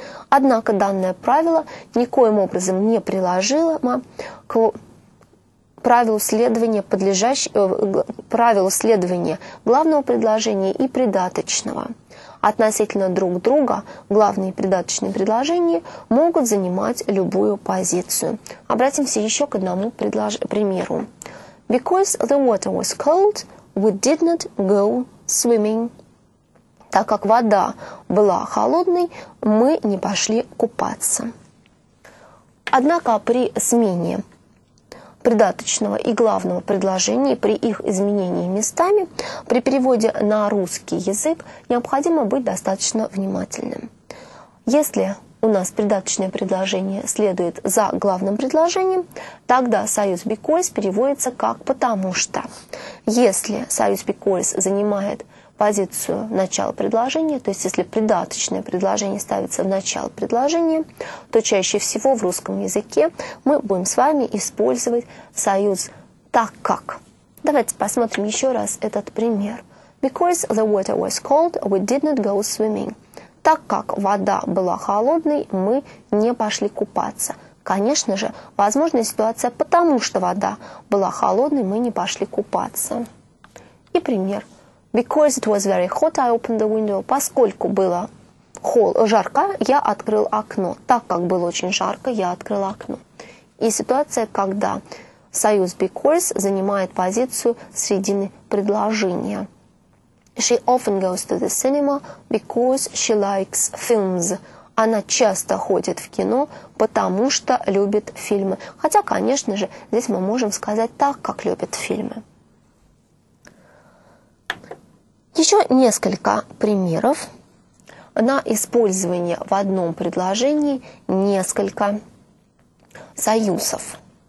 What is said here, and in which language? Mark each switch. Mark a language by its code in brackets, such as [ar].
[ru] Однако данное правило никоим образом не приложимо к правилу следования главного предложения и придаточного. Относительно друг друга главные и придаточные предложения могут занимать любую позицию. Обратимся еще к одному примеру. [en] Because the water was cold, we did not go swimming. [ru] Так как вода была холодной, мы не пошли купаться. Однако при смене придаточного и главного предложения, при их изменении местами, при переводе на русский язык необходимо быть достаточно внимательным. Если у нас придаточное предложение следует за главным предложением, тогда союз because переводится как «потому что». Если союз because занимает позицию начала предложения, то есть если придаточное предложение ставится в начало предложения, то чаще всего в русском языке мы будем с вами использовать союз «так как». Давайте посмотрим еще раз этот пример. [en] Because the water was cold, we did not go swimming. [ru] Так как вода была холодной, мы не пошли купаться. Конечно же, возможна ситуация, потому что вода была холодной, мы не пошли купаться. И пример. [en] Because it was very hot, I opened the window. [ru] Поскольку было жарко, я открыл окно. Так как было очень жарко, я открыл окно. И ситуация, когда союз because занимает позицию середины предложения. [en] She often goes to the cinema because she likes films. [ru] Она часто ходит в кино, потому что любит фильмы. Хотя, конечно же, здесь мы можем сказать так, как любит фильмы. Еще несколько примеров на использование в одном предложении несколько союзов.